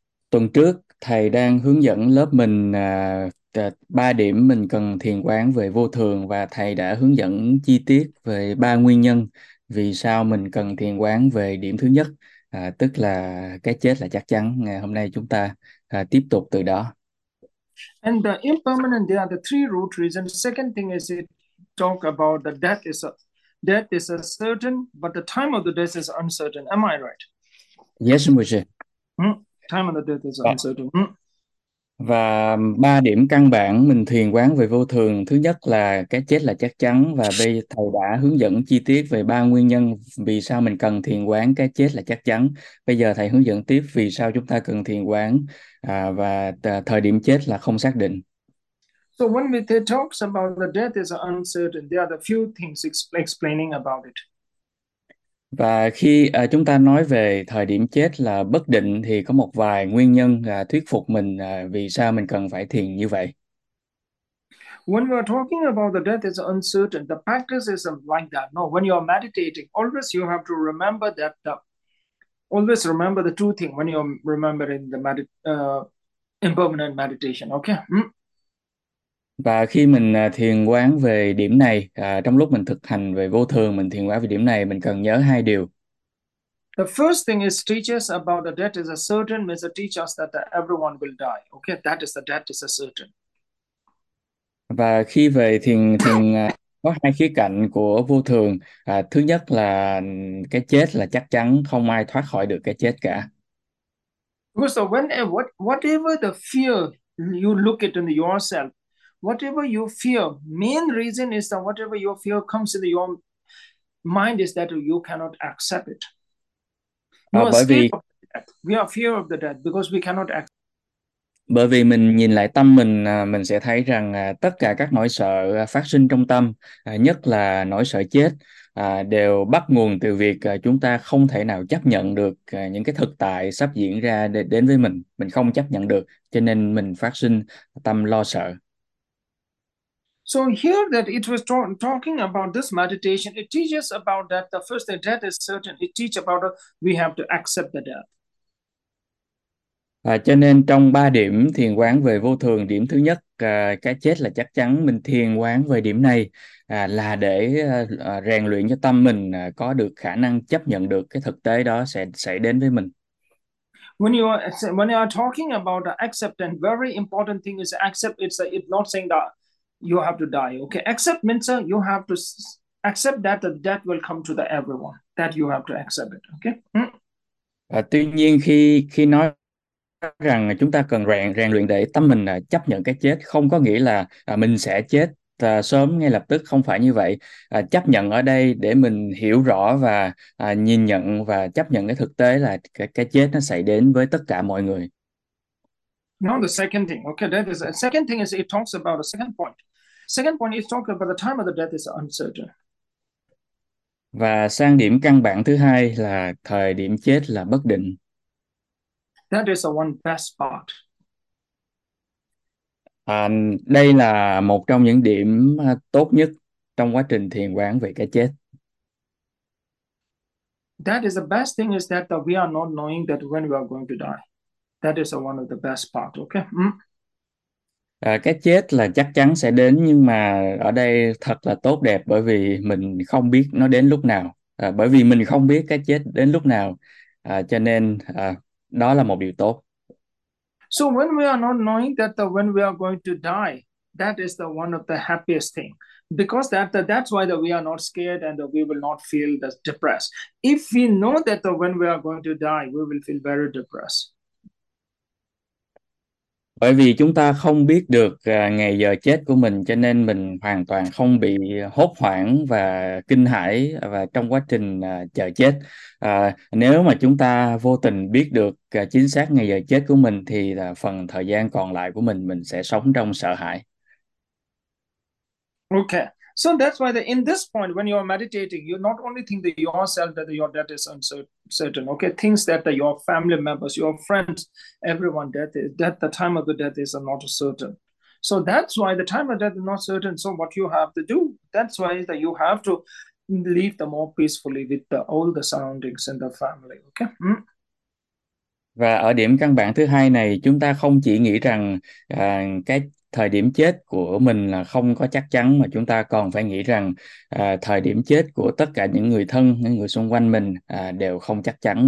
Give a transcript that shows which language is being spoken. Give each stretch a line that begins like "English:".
Vietnamese: Tuần trước thầy đang hướng dẫn lớp mình 3 điểm mình cần thiền quán về vô thường, và thầy đã hướng dẫn chi tiết về 3 nguyên nhân vì sao mình cần thiền quán về điểm thứ nhất, tức là cái chết là chắc chắn. Ngày hôm nay chúng ta tiếp tục từ đó.
English: And the impermanent, there are the three root reasons. Second thing is it talk about the death is a certain, but the time of the death is uncertain. Am I right? Yes, Mujer. Time of the death is uncertain.
Vietnamese: Và 3 điểm căn bản mình thiền quán về vô thường, thứ nhất là cái chết là chắc chắn, và bây thầy đã hướng dẫn chi tiết về 3 nguyên nhân vì sao mình cần thiền quán cái chết là chắc chắn. Bây giờ thầy hướng dẫn tiếp vì sao chúng ta cần thiền quán và thời điểm chết là không xác định.
English: So when we talk about the death is uncertain, there are the few things explaining about it.
Vietnamese: Và khi chúng ta nói về thời điểm chết là bất định thì có một vài nguyên nhân thuyết phục mình vì sao mình cần phải thiền như vậy.
English: When we are talking about the death is uncertain, the practice is like that. No, when you are meditating, always you have to remember that the, always remember the two things when you remember in the impermanent meditation. Okay.
Vietnamese: Và khi mình thiền quán về điểm này, trong lúc mình thực hành về vô thường, mình thiền quán về điểm này, mình cần nhớ hai điều.
English: The first thing is teach us about the death is a certain means teach us that everyone will die. Okay, that is the death is a certain.
Vietnamese: Và khi về thiền thiền có hai khía cạnh của vô thường. Thứ nhất là cái chết là chắc chắn, không ai thoát khỏi được cái chết cả.
English: Whatever the fear you look at in yourself, whatever you fear, main reason is that whatever your fear comes into your mind is that you cannot accept it. You are
Vietnamese: Bởi
English: scared
Vietnamese: vì
English: of death. We are fear of the death because we cannot act.
Vietnamese: mình nhìn lại tâm mình sẽ thấy rằng tất cả các nỗi sợ phát sinh trong tâm, nhất là nỗi sợ chết, đều bắt nguồn từ việc chúng ta không thể nào chấp nhận được những cái thực tại sắp diễn ra đến với mình không chấp nhận được, cho nên mình phát sinh tâm lo sợ.
English: So here that it was talking about this meditation, it teaches about that the first thing, death is certain. It teaches about we have to accept the death.
Vietnamese: Cho nên trong 3 điểm thiền quán về vô thường, điểm thứ nhất, cái chết là chắc chắn, mình thiền quán về điểm này là để rèn luyện cho tâm mình có được khả năng chấp nhận được cái thực tế đó sẽ xảy đến với mình.
English: When you are talking about the acceptance, very important thing is accept. It's not saying that you have to die. Okay, accept means you have to accept that the death will come to the everyone, that you have to accept it. Okay.
Vietnamese: Tuy nhiên khi nói rằng chúng ta cần rèn luyện để tâm mình chấp nhận cái chết, không có nghĩa là mình sẽ chết sớm ngay lập tức, không phải như vậy. Chấp nhận ở đây để mình hiểu rõ và nhìn nhận và chấp nhận cái thực tế là cái chết nó xảy đến với tất cả mọi người.
English: Now the second thing, okay, that is a second thing is it talks about a second point. Second point is talking about the time of the death is uncertain.
Vietnamese: Và sang điểm căn bản thứ hai là thời điểm chết là bất định.
English: That is the one best part.
Vietnamese: Đây là một trong những điểm tốt nhất trong quá trình thiền quán về cái chết.
English: That is the best thing is that we are not knowing that when we are going to die. That is one of the best part, okay?
Vietnamese: Cái chết là chắc chắn sẽ đến, nhưng mà ở đây thật là tốt đẹp bởi vì mình không biết nó đến lúc nào. Bởi vì mình không biết cái chết đến lúc nào, cho nên đó là một điều tốt.
English: So when we are not knowing that the when we are going to die, that is the one of the happiest thing. Because that's why that we are not scared and we will not feel the depressed. If we know that the when we are going to die, we will feel very depressed.
Vietnamese: Bởi vì chúng ta không biết được ngày giờ chết của mình, cho nên mình hoàn toàn không bị hốt hoảng và kinh hãi và trong quá trình chờ chết. Nếu mà chúng ta vô tình biết được chính xác ngày giờ chết của mình thì phần thời gian còn lại của mình sẽ sống trong sợ hãi.
English: Okay, so that's why the in this point when you are meditating, you not only think that yourself that your death is uncertain. Okay, things that your family members, your friends, everyone death is that the time of the death is not certain. So that's why the time of death is not certain. So what you have to do, that's why that you have to leave the more peacefully with all the surroundings and the family. Okay.
Vietnamese: Và ở điểm căn bản thứ hai này, chúng ta không chỉ nghĩ rằng cái thời điểm chết của mình là không có chắc chắn, mà chúng ta còn phải nghĩ rằng thời điểm chết của tất cả những người thân, những người xung quanh mình đều không chắc chắn.